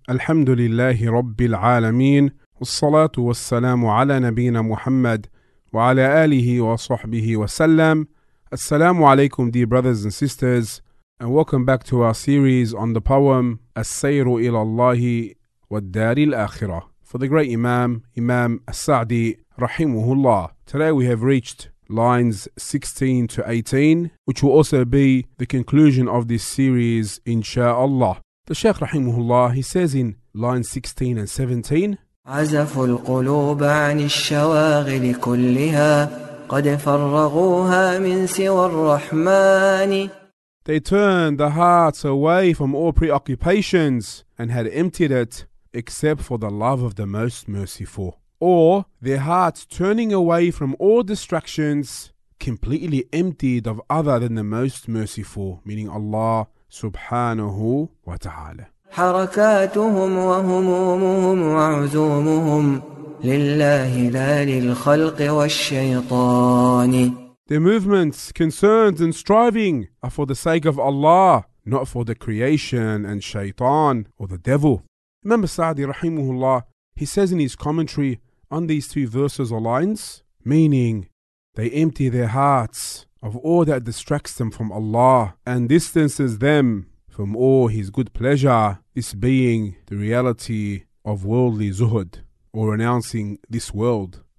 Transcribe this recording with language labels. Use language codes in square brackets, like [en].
[ar] الحمد لله رب العالمين، والصلاة والسلام على نبينا محمد وعلى آله وصحبه وسلم. السلام عليكم [en] dear brothers and sisters, and welcome back to our series on the poem السير إلى الله والدار الآخرة for the great Imam, Imam As-Sa'di [ar] رحمه الله. [en] Today we have reached lines 16 to 18, which will also be the conclusion of this series, insha'Allah. The Shaykh Rahimahullah, he says in lines 16 and 17, [ar] عَزَفُ الْقُلُوبَ عَنِ الشَّوَاغِلِ كُلِّهَا قَدْ فَرَّغُوهَا مِنْ سِوَى الرَّحْمَانِ. [en] They turned the hearts away from all preoccupations and had emptied it except for the love of the Most Merciful. Or their hearts turning away from all distractions, completely emptied of other than the Most Merciful, meaning Allah [ar] subhanahu wa ta'ala. حركاتهم وهمومهم وعزومهم لله لا للخلق والشيطان. [en] Their movements, concerns and striving are for the sake of Allah, not for the creation and shaitan or the devil. Imam Sa'di rahimahullah, he says in his commentary on these two verses or lines, meaning they empty their hearts of all that distracts them from Allah and distances them from all his good pleasure, this being the reality of worldly zuhud or renouncing this world.